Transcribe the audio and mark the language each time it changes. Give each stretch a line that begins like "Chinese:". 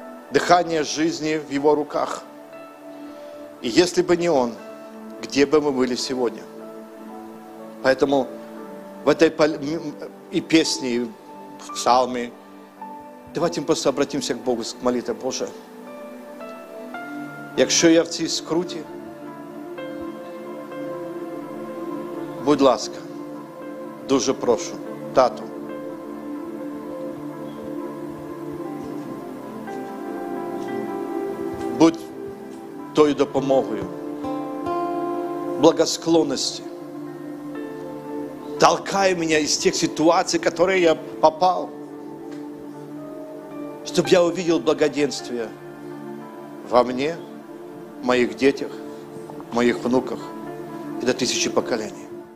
Russian: Дыхание жизни в Его руках. И если бы не Он, где бы мы были сегодня? Поэтому в этой и песне, и в псалме, давайте мы просто обратимся к Богу, к молитве Боже.
Ukrainian: Якщо я в цій скруті, будь ласка, дуже прошу, тату. Будь тою допомогою, благосклонності.
Russian: Толкай меня из тех ситуаций, в которые я попал, чтобы я увидел благоденствие во мне, моих детях, моих внуках и до тысячи поколений.